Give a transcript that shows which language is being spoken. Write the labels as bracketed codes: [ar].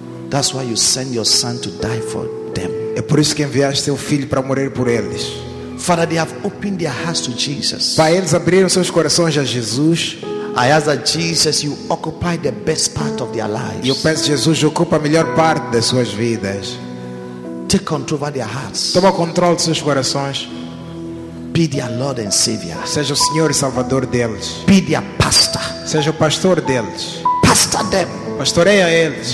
[en] That's why you send your son to die for them. [pt] É por isso que enviaste teu filho para morrer por eles. [en] Father, they have opened their hearts to Jesus. [pt] Pai, eles abriram seus corações a Jesus. [en] I ask that Jesus, you occupy the best part of their lives. [pt] Eu peço Jesus, ocupa a melhor parte das suas vidas. [en] Take control of their hearts. [pt] Toma controle dos seus corações. [en] Be their Lord and Savior. [pt] Seja o Senhor e Salvador deles. [en] Be their pastor. [pt] Seja o pastor deles. [en] Pastor them. [pt] Pastoreia eles.